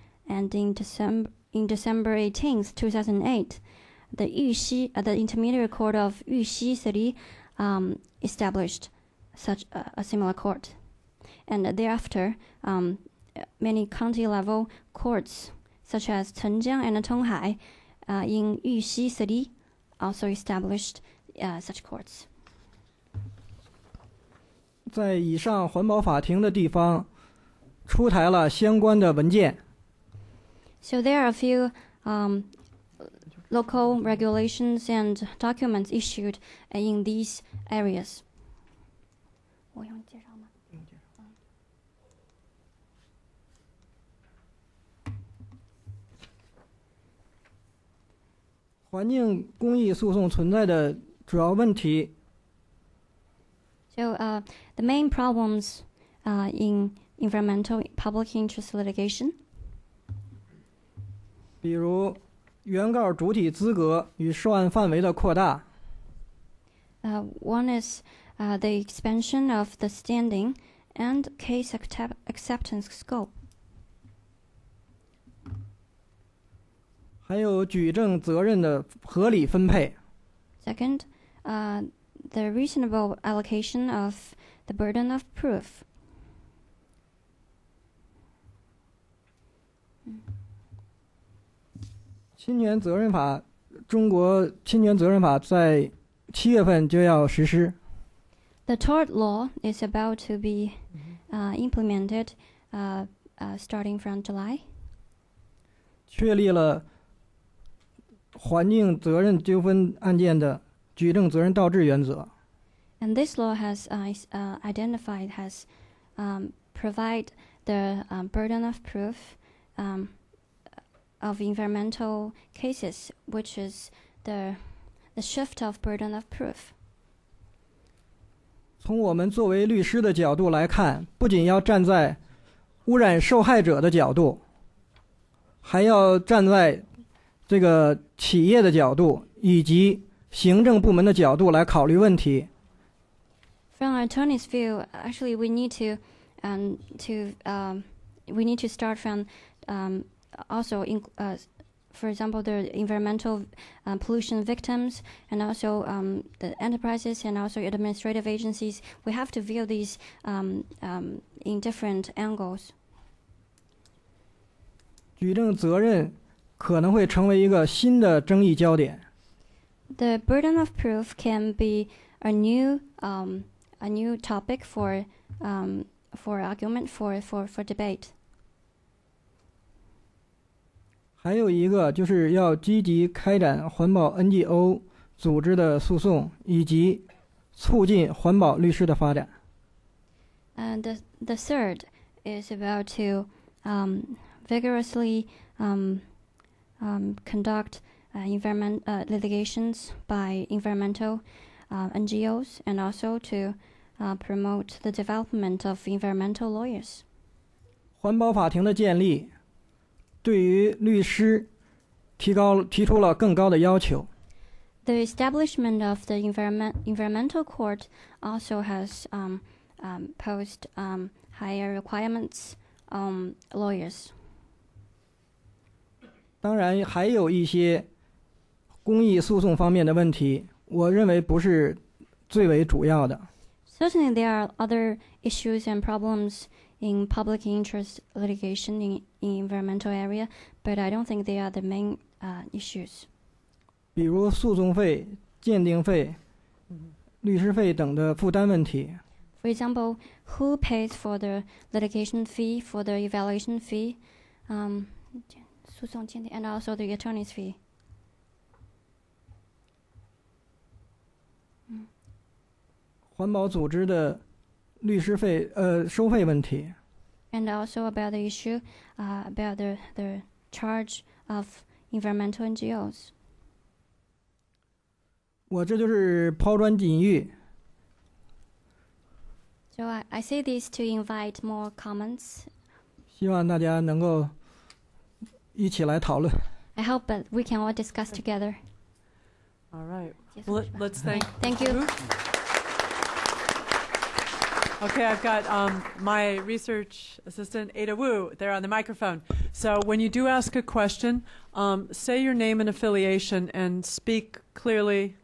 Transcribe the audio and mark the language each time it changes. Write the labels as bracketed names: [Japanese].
[English] And in December 18, 2008, the Intermediate Court of Yuxi City established such a similar court. And thereafter, many county-level courts such as Chenjiang and Tonghai in Yuxi City also established such courts. [Chinese] 在以上环保法庭的地方出台了相关的文件。 [English] So there are a few local regulations and documents issued in these areas. [Chinese] 我用介绍吗？环境公益诉讼存在的主要问题。 [English] So the main problems in environmental public interest litigation. [Chinese] 比如原告主体资格与涉案范围的扩大。 [English] One is the expansion of the standing and case acceptance scope. [Chinese] 还有举证责任的合理分配。 [English] Second, the reasonable allocation of the burden of proof. [Chinese] 侵权责任法，中国侵权责任法在七月份就要实施。 [English] The tort law is about to be implemented starting from July. [Chinese] 确立了环境责任纠纷案件的举证责任倒置原则。 [English] And this law has identified, has provide the burden of proof of environmental cases, which is the shift of burden of proof. [Chinese] 从我们作为律师的角度来看，不仅要站在污染受害者的角度，还要站在这个企业的角度以及行政部门的角度来考虑问题。 [English] From our attorney's view, actually we need to, we need to start from, also in, for example, the environmental pollution victims and also the enterprises and also administrative agencies. We have to view these in different angles. [Chinese] 举证责任可能会成为一个新的争议焦点。 [English] The burden of proof can be a new topic for argument for debate. [Chinese] 还有一个就是要积极开展环保 NGO 组织的诉讼以及促进环保律师的发展。 [English] And the third is about to vigorously conduct environment litigations by environmental NGOs and also to promote the development of environmental lawyers. [Chinese] 环保法庭的建立对于律师提出了更高的要求。 [English] The establishment of the environmental court also has posed higher requirements on lawyers. [Chinese] 当然还有一些公益诉讼方面的问题，我认为不是最为主要的。 [English] Certainly there are other issues and problems in public interest litigation in environmental area, but I don't think they are the main issues. [Chinese] 比如诉讼费、鉴定费、律师费等的负担问题。 [English] For example, who pays for the litigation fee, for the evaluation fee, [Chinese] 诉讼鉴定 [English] and also the attorney's fee. [Chinese] 环保组织的律师费收费问题。 [English] And also about the issue, about the charge of environmental NGOs. [Chinese] 我这就是抛砖引玉。 [English] So I say this to invite more comments. [Chinese] 希望大家能够一起来讨论。 [English] I hope that we can all discuss together. All right. Well, let's thank. Thank you. Okay, I've got my research assistant, Ada Wu, there on the microphone. So when you do ask a question, say your name and affiliation and speak clearly.